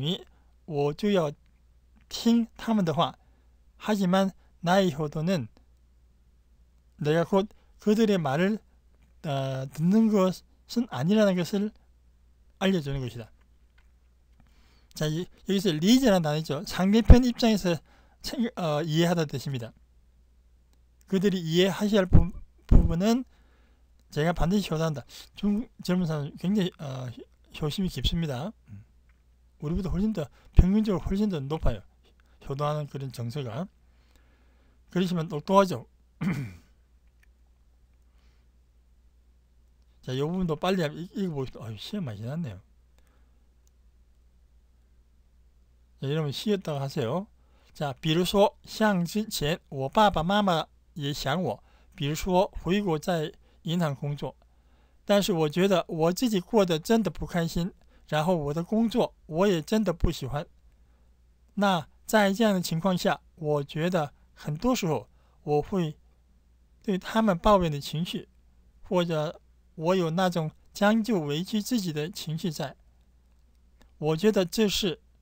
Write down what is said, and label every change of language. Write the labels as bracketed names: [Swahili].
[Chinese] 但是我的孝顺不等于我就要听他们的话. [Korean] 하지만 나의 효도는 내가 곧 그들의 말을 듣는 것은 아니라는 것을 알려주는 것이다. 자, 여기서 리즈라는 단어죠. 상대편 입장에서 이해하다 뜻입니다. 그들이 이해하셔야 할 부분은 제가 반드시 효도한다. 젊은 사람은 굉장히 효심이 깊습니다. 우리보다 훨씬 더 평균적으로 훨씬 더 높아요. 효도하는 그런 정서가. 그러시면 똑똑하죠. 자, 이 부분도 빨리 읽어보겠습니다. 시간 많이 지났네요. 여러분 쉬었다고 하세요. [Chinese] 자, 比如说像之前我爸爸妈妈也想我，比如说回国在银行工作，但是我觉得我自己过得真的不开心，然后我的工作我也真的不喜欢。那在这样的情况下，我觉得很多时候我会对他们抱怨的情绪，或者我有那种将就委屈自己的情绪在，我觉得这是。